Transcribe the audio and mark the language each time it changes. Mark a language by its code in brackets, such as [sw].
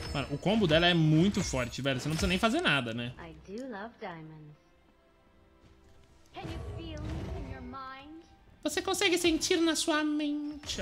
[pt] O combo dela é muito forte, velho. Você não precisa nem fazer nada, né? [en] I do love diamonds. Can you feel me in your mind? [pt] Você consegue sentir na sua mente?